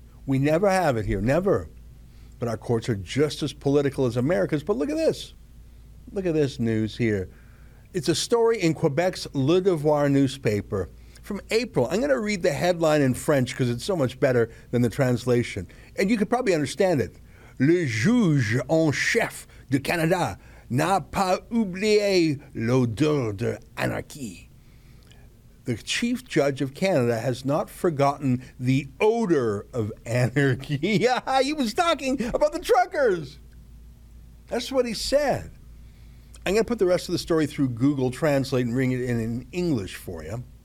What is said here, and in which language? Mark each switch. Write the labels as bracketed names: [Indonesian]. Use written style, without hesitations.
[English] We never have it here, never. But our courts are just as political as America's. But look at this. Look at this news here. It's a story in Quebec's Le Devoir newspaper from April. I'm going to read the headline in French because it's so much better than the translation. And you could probably understand it. [French] Le juge en chef du Canada n'a pas oublié l'odeur de l'anarchie. [English] The chief judge of Canada has not forgotten the odor of anarchy. He was talking about the truckers. That's what he said. I'm going to put the rest of the story through Google Translate and bring it in English for you.